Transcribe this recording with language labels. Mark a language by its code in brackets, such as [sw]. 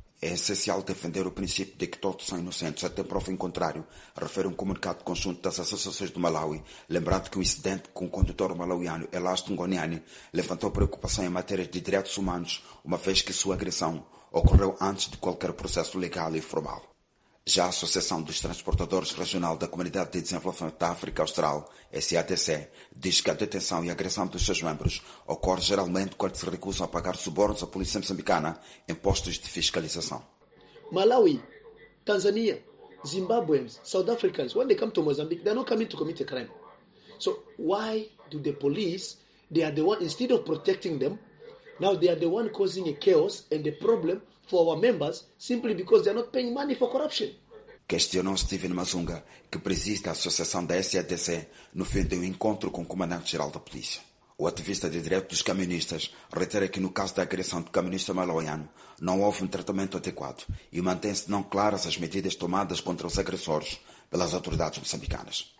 [pt] É essencial defender o princípio de que todos são inocentes até prova em contrário, refere um comunicado conjunto das associações do Malawi, lembrando que o incidente com o condutor malawiano Elasto Ngoniani levantou preocupação em matéria de direitos humanos, uma vez que sua agressão ocorreu antes de qualquer processo legal e formal. Já a Associação dos Transportadores Regional da Comunidade de Desenvolvimento da África Austral, SADC, diz que a detenção e agressão dos seus membros ocorre geralmente quando se recusam a pagar subornos à polícia moçambicana em postos de fiscalização. [en] Malawi, Tanzania, Zimbabwe, South Africans, when they come to Mozambique, they're not coming to commit a crime. So why do the police, they are the one, instead of protecting them, now they are the one causing a chaos and a problem for our members, simply because they are not paying money for corruption. [pt] Questionou Steven Mazunga, que preside a associação da SADC, no fim de um encontro com o comandante-geral da polícia. O ativista de direitos dos camionistas reitera que, no caso da agressão do camionista malawiano, não houve um tratamento adequado e mantém-se não claras as medidas tomadas contra os agressores pelas autoridades moçambicanas.